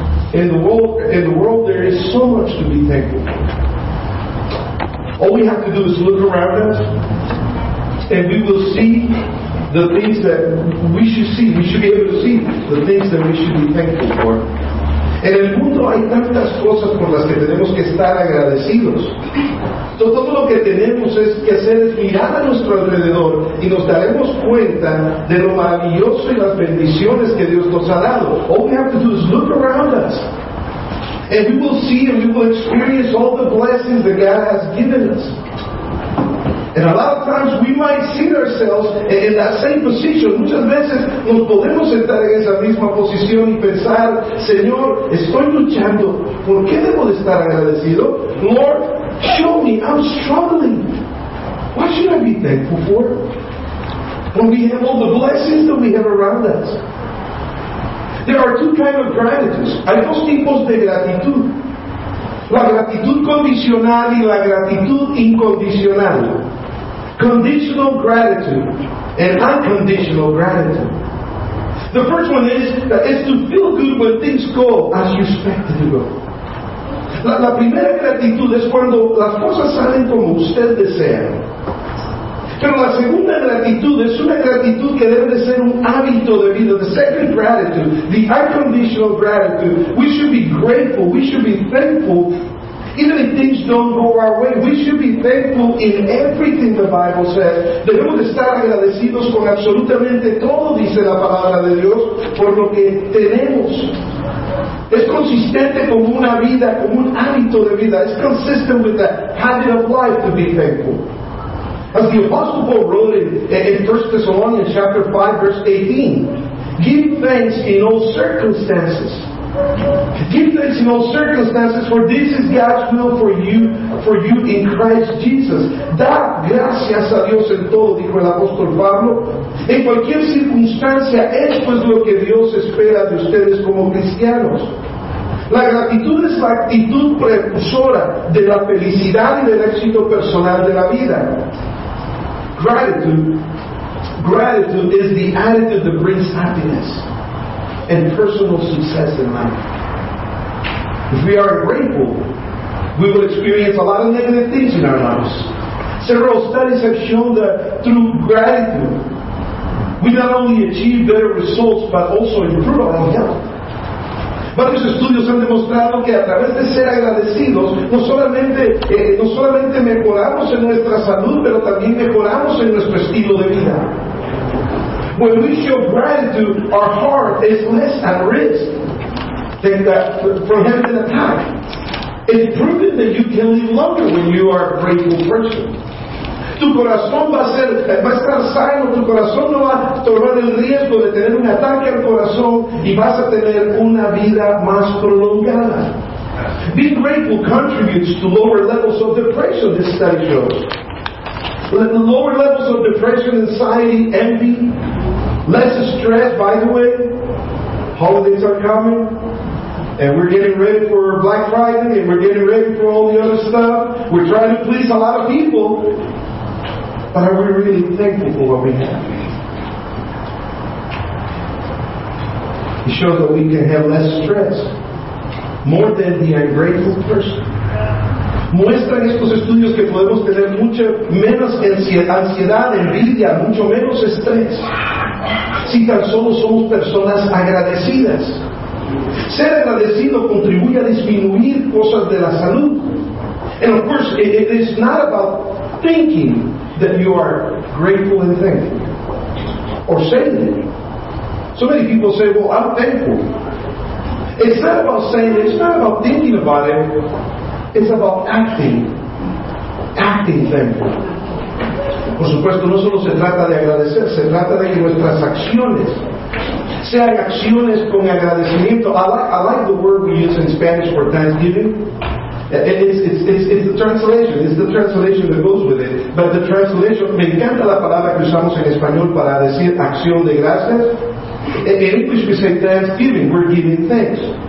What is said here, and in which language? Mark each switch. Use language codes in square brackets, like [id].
[en] In the world, there is so much to be thankful for. All we have to do is look around us, and we will see the things that we should see. We should be able to see the things that we should be thankful for. [es] En el mundo hay tantas cosas por las que tenemos que estar agradecidos. Todo lo que tenemos que hacer es mirar a nuestro alrededor y nos daremos cuenta de lo maravilloso y las bendiciones que Dios nos ha dado. [en] All we have to do is look around us. And we will see and we will experience all the blessings that God has given us. And a lot of times we might see ourselves in that same position. [es] Muchas veces nos podemos sentar en esa misma posición y pensar, Señor, estoy luchando. ¿Por qué debo de estar agradecido? [en] Lord, show me, I'm struggling. What should I be thankful for? When we have all the blessings that we have around us. There are two kinds of gratitudes. [es] Hay dos tipos de gratitud. La gratitud condicional y la gratitud incondicional. [en] Conditional gratitude and unconditional gratitude. The first one is to feel good when things go as you expected to go. [es] La primera gratitud es cuando las cosas salen como usted desea. Pero la segunda gratitud es una gratitud que debe de ser un hábito de vida. [en] The second gratitude, the unconditional gratitude, we should be grateful, we should be thankful, even if things don't go our way. We should be thankful in everything, the Bible says. [es] Debemos de estar agradecidos con absolutamente todo, dice la palabra de Dios, por lo que tenemos. Es consistente con una vida, con un hábito de vida. [en] It's consistent with that habit of life to be thankful. As the Apostle Paul wrote in 1 Thessalonians chapter 5, verse 18, give thanks in all circumstances. Give thanks in all circumstances, for this is God's will for you in Christ Jesus. [es] Da gracias a Dios en todo, dijo el apóstol Pablo. En cualquier circunstancia, esto es lo que Dios espera de ustedes como cristianos. La gratitud es la actitud precursora de la felicidad y del éxito personal de la vida. [en] Gratitude is the attitude that brings happiness and personal success in life. If we are grateful, we will experience a lot of negative things in our lives. Several studies have shown that through gratitude, we not only achieve better results, but also improve our health. [es] Varios estudios han demostrado que a través de ser agradecidos, no solamente mejoramos en nuestra salud, pero también mejoramos en nuestro estilo de vida. [en] When we show gratitude, our heart is less at risk than that from having an attack. It's proven that you can live longer when you are a grateful person. [es] Tu corazón va a estar sano, tu corazón no va a tomar el riesgo de tener un ataque al corazón y vas a tener una vida más prolongada. [en] Being grateful contributes to lower levels of depression, this study shows. Lower levels of depression, anxiety, envy, less stress, by the way, holidays are coming. And we're getting ready for Black Friday and we're getting ready for all the other stuff. We're trying to please a lot of people. But are we really thankful for what we have? It shows that we can have less stress, more than the ungrateful person. [es] Muestran estos estudios que podemos tener mucho menos ansiedad, envidia, mucho menos estrés, si tan solo somos personas agradecidas. Ser agradecido contribuye a disminuir cosas de la salud. [en] And of course, it is not about thinking that you are grateful and thankful, or saying it. So many people say, well, I'm thankful. It's not about saying it, it's not about thinking about it, it's about acting acting thankful. [es] Por supuesto, no solo se trata de agradecer, se trata de que nuestras acciones sean acciones con agradecimiento. [en] I like the word we use in Spanish for Thanksgiving. It's the translation. It's the translation that goes with it. But the translation, [es] me encanta la palabra que usamos en español para decir acción de gracias. [en] In English we say Thanksgiving, we're giving thanks.